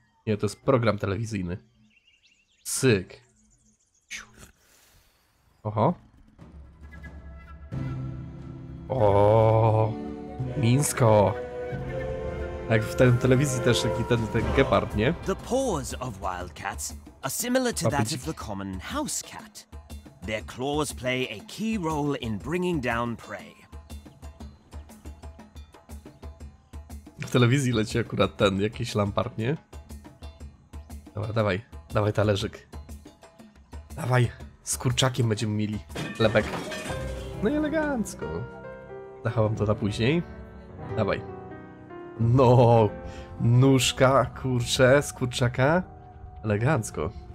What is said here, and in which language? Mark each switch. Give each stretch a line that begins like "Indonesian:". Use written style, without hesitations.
Polish: Nie, to jest program telewizyjny. Cyk. Oho. O, Mińsko. Jak w tej telewizji też taki ten gepard, nie?
English: The paws of wild cats are similar to that of the common house cat. Their claws play a key role in bringing down prey.
Polish: W telewizji leci akurat ten jakiś Lampard, nie? Dobra, dawaj. Dawaj talerzyk. Dawaj. Z kurczakiem będziemy mieli chlebek. No i elegancko. Zachowam to na później. Dawaj. No, nóżka, kurczę, z kurczaka. Elegancko.